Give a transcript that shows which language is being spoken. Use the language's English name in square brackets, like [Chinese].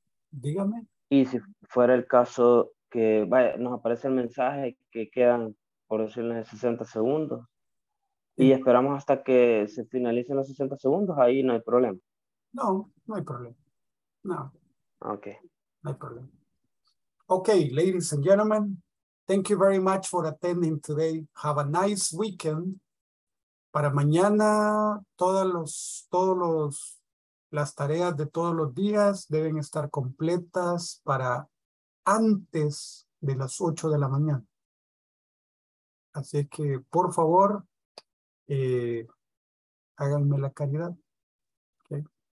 [Spanish] dígame. Y si fuera el caso que vaya, nos aparece el mensaje que quedan, por decirlo, 60 segundos y esperamos hasta que se finalicen los 60 segundos, ahí no hay problema. No hay problema. Ok. No hay problema. [English] Okay, ladies and gentlemen, thank you very much for attending today. Have a nice weekend. [Spanish] Para mañana, todas las tareas de todos los días deben estar completas para antes de las 8 de la mañana. Así que, por favor, háganme la caridad. Okay.